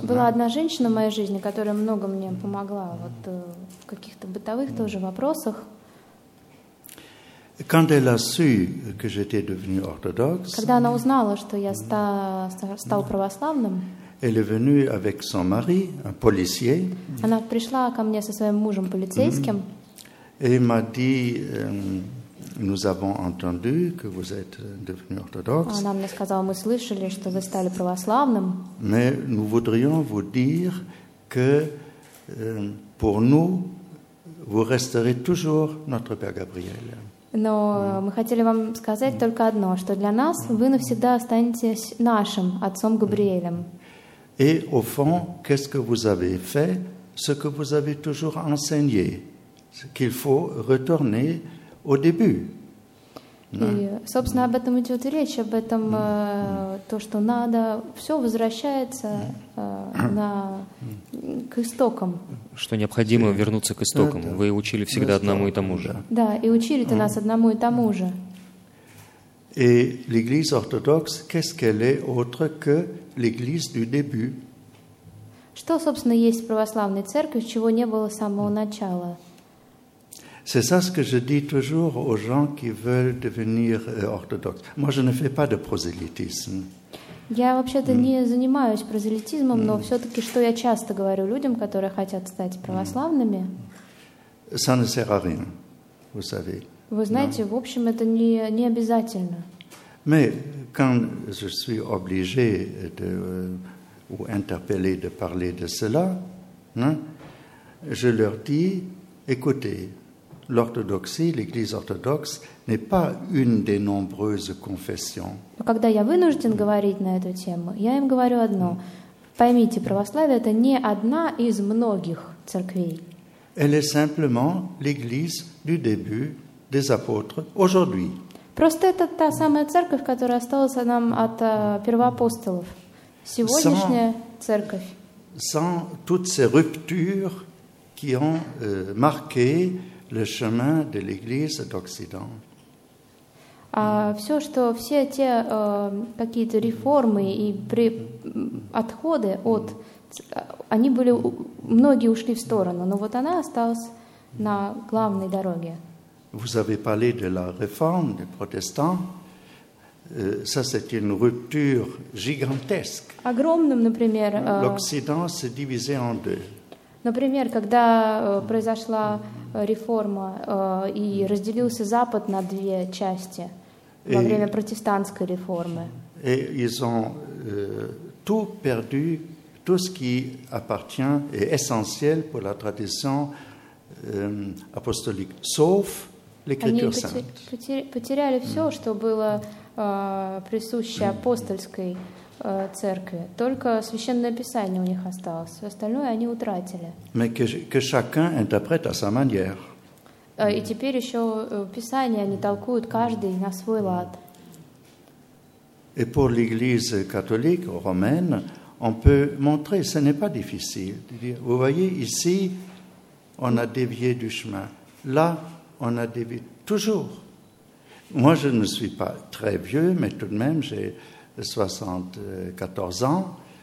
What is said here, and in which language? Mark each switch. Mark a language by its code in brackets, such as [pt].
[ru] Была одна женщина в моей жизни, которая много мне помогла вот в каких-то бытовых тоже вопросах. [fr] Quand elle a su que j'étais devenu orthodoxe, [ru] когда она узнала, что я стал православным, [fr] elle est venue avec son mari, un policier. [ru] Она пришла ко мне со своим мужем полицейским. [fr] Et m'a dit, nous avons entendu que vous êtes devenu orthodoxe. [ru] Она мне сказала, мы слышали, что вы стали православным. [fr] Mais nous voudrions vous dire que pour nous, vous resterez toujours notre Père Gabriel. [ru] Но мы хотели вам сказать только одно, что для нас вы навсегда останетесь нашим отцом Габриэлем. [fr] Et au fond, qu'est-ce que vous avez fait? Ce que vous avez toujours enseigné, qu'il faut retourner au début. [ru] И, собственно, об этом идет речь, об этом то, что надо, все возвращается к истокам. Что необходимо вернуться к истокам. Вы учили всегда одному и тому же. Да, и учили ты нас одному и тому же. [fr] Et l'Église orthodoxe, qu'est-ce qu'elle est autre que l'Église du début? [ru] Что, собственно, есть в православной церкви, чего не было с самого начала? [fr] C'est ça ce que je dis toujours aux gens qui veulent devenir orthodoxes. Moi, je ne fais pas de prosélytisme. [ru] Я вообще-то не занимаюсь прозелитизмом, но все-таки, что я часто говорю людям, которые хотят стать православными? [fr] Ça ne sert à rien, vous savez. [ru] Вы знаете, в общем, это не обязательно. [fr] Mais quand je suis obligé de ou interpellé de parler de cela, hein, je leur dis, écoutez, l'orthodoxie, l'Église orthodoxe, n'est pas une des nombreuses confessions. [ru] Когда я вынужден говорить на эту тему, я им говорю одно: поймите, православие это не одна из многих церквей. [fr] Elle est simplement l'Église du début. Des apôtres aujourd'hui. [ru] Просто это та самая церковь, которая осталась нам от первоапостолов. Сегодняшняя церковь. [fr] Sans toutes ces ruptures qui ont marqué le chemin de l'Église d'Occident. [ru] Все, что все те какие-то реформы и отходы от, они были, многие ушли в сторону, но вот она осталась на главной дороге. [fr] Vous avez parlé de la réforme des protestants. Ça, c'est une rupture gigantesque. [ru] Огромным, например, [fr] L'Occident s'est divisé en deux. [ru] Например, когда произошла реформа и разделился Запад на две части во время протестантской реформы. [fr] Et ils ont tout perdu, tout ce qui appartient est essentiel pour la tradition apostolique, sauf l'Écriture sainte. [ru] Они потеряли все, что было присуще апостольской церкви. Только Священное Писание у них осталось. Остальное они утратили. [fr] Mais que chacun interprète à sa manière. [ru] И теперь еще Писание они толкуют каждый на свой лад. [fr] Et pour l'Église catholique romaine, on peut montrer, ce n'est pas difficile. Vous voyez, ici, on a dévié du chemin. Là, on a dévié. Toujours. Moi, je ne suis pas très vieux, mais tout de même, j'ai 74 ans.